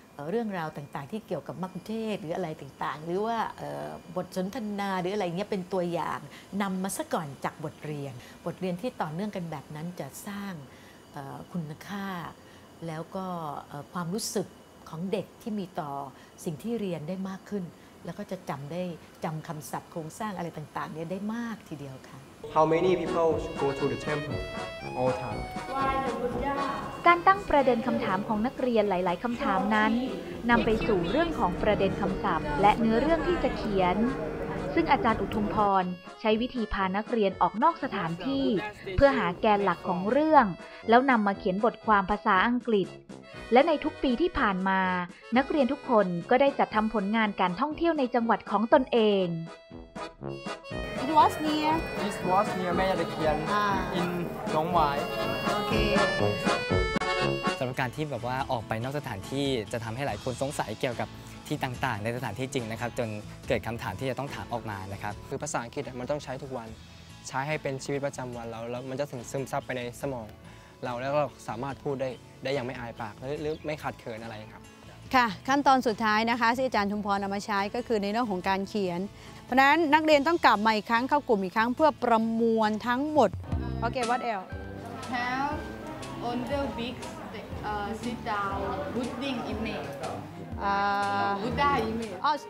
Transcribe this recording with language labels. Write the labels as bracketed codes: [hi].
[th] เรื่องราวต่างๆที่เกี่ยวกับมัคคุเทศก์หรืออะไรต่างๆหรือว่าบทสนทนาหรืออะไรเงี้ยเป็นตัวอย่างนำมาซะก่อนจากบทเรียนที่ต่อเนื่องกันแบบนั้นจะสร้างคุณค่าแล้วก็ความรู้สึกของเด็กที่มีต่อสิ่งที่เรียนได้มากขึ้นแล้วก็จะจำได้จำคำศัพท์โครงสร้างอะไรต่างๆเนี่ยได้มากทีเดียวค่ะ [en] How many people go to the temple all the time? Why the Buddha? [th] การตั้งประเด็นคำถามของนักเรียนหลายๆคำถามนั้นนำไปสู่เรื่องของประเด็นคำศัพท์และเนื้อเรื่องที่จะเขียนซึ่งอาจารย์อุทุมพรใช้วิธีพานักเรียนออกนอกสถานที่เพื่อหาแกนหลักของเรื่องแล้วนำมาเขียนบทความภาษาอังกฤษและในทุกปีที่ผ่านมานักเรียนทุกคนก็ได้จัดทำผลงานการท่องเที่ยวในจังหวัดของตนเอง [en] It was near This was near แม่ยาตะเคียน in หนองหวาย Okay [th] สำหรับการที่แบบว่าออกไปนอกสถานที่จะทำให้หลายคนสงสัยเกี่ยวกับที่ต่างๆในสถานที่จริงนะครับจนเกิดคำถามที่จะต้องถามออกมานะครับ คือภาษาอังกฤษมันต้องใช้ทุกวันใช้ให้เป็นชีวิตประจำวันแล้วมันจะถึงซึมซับไปในสมองเราแล้วเราสามารถพูดได้อย่างไม่อายปากหรือไม่ขัดเขินอะไรครับ ค่ะขั้นตอนสุดท้ายนะคะที่อาจารย์ทุมพรเอามาใช้ก็คือในเรื่องของการเขียนเพราะนั้นนักเรียนต้องกลับมาอีกครั้งเข้ากลุ่มอีกครั้งเพื่อประมวลทั้งหมด [en] โอเค what else How on the big sit down putting in it Buddha image